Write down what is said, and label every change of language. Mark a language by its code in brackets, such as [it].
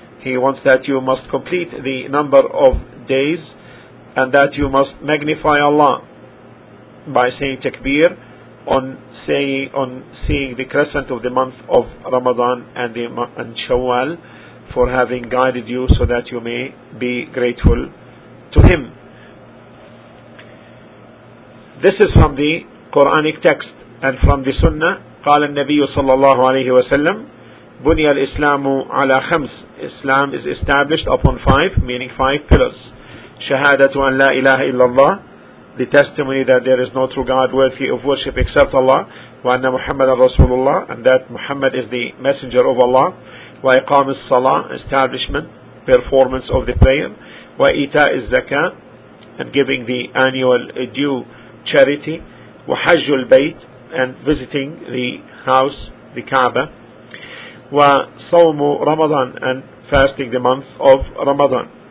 [en] He wants that you must complete the number of days, and that you must magnify Allah by saying takbir on seeing the crescent of the month of Ramadan and Shawwal, for having guided you, so that you may be grateful to him. This is from the Quranic text and from the Sunnah. [ar] قال النبي صلى الله عليه وسلم بني الإسلام على خمس. [en] Islam is established upon five pillars. [ar] شهادة أن لا إله إلا الله, [en] the testimony that there is no true God worthy of worship except Allah, [ar] وأن محمد رسول الله, [en] and that Muhammad is the messenger of Allah, [ar] وإقام الصلاة, [en] establishment, performance of the prayer, [ar] وإيتاء الزكاة, [en] and giving the annual due charity, [ar] وحج البيت, [en] and visiting the house, the Kaaba, [ar] وصوم رمضان, [en] and fasting the month of Ramadan.